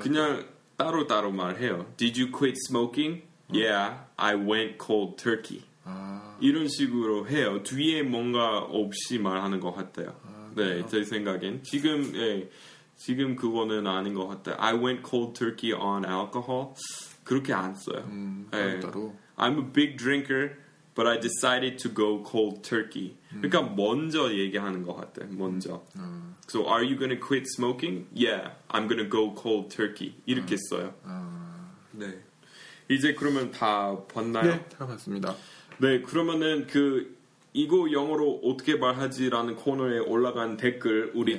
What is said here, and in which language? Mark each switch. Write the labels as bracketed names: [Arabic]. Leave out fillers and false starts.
[Korean] 그냥 따로 따로 말해요. [English] Did you quit smoking? [Korean] 어. [English] Yeah, I went cold turkey. [Korean] 아. 이런 식으로 해요. 뒤에 뭔가 없이 말하는 것 같아요. 아, 네, 제 생각엔 지금 예. 지금 그거는 아닌 것 같아. [English] I went cold turkey on alcohol. [Korean] 그렇게 안 써요. 네. 따로. [English] I'm a big drinker, but I decided to go cold turkey. [Korean] 그러니까 먼저 얘기하는 것 같아. [English] 먼저. So are you gonna quit smoking? Yeah, I'm gonna go cold turkey. [Korean] 이렇게 써요. [English] 네. [Korean] 이제 그러면 다 봤나요? 네, 다 봤습니다. 네, 그러면은 그 이거 영어로 어떻게 말하지라는 코너에 올라간 댓글 우리 네.